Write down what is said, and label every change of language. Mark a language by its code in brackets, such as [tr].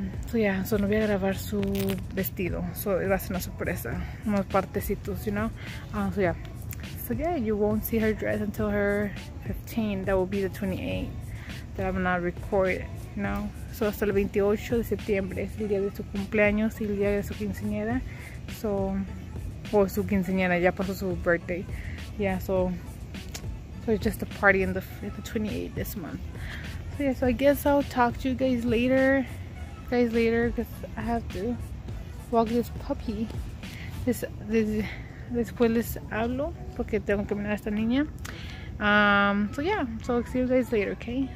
[es] So yeah, so no voy a grabar su vestido. So va a ser una sorpresa, unos partecitos, you know. So yeah. [en] So yeah, you won't see her dress until her 15. That will be the 28th that I'm gonna record, you know. [es] So hasta el 28 de septiembre es el día de su cumpleaños y el día de su quinceañera. So, o su quinceañera, ya pasó su birthday. [en] Yeah, so it's just a party in the 28th this month. So yeah, so I guess I'll talk to you guys later. Because I have to walk this puppy. This [es] después les hablo porque tengo que mirar a esta niña. [en] So yeah, so I'll see you guys later, okay?